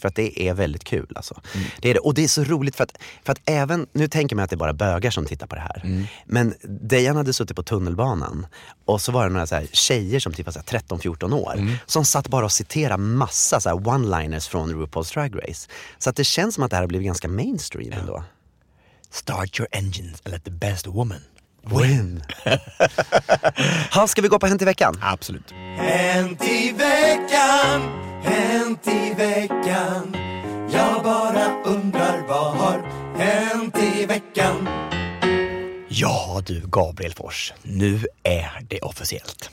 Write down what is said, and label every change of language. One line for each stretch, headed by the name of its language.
Swedish: För att det är väldigt kul alltså. Mm. Det är det. Och det är så roligt för att även, nu tänker man att det är bara bögar som tittar på det här. Mm. Men Dejan hade suttit på tunnelbanan. Och så var det några så här tjejer som typ var 13-14 år. Mm. Som satt bara och citerade massa så här one-liners från RuPaul's Drag Race. Så att det känns som att det här har blivit ganska mainstream. Ja.
English: Start your engines and let the best woman win.
Swedish: Ha, ska vi gå på Hänt i veckan? Absolut. Hänt i veckan, hänt i veckan. Jag bara undrar vad har hänt i veckan. Ja du, Gabriel Fors, nu är det officiellt.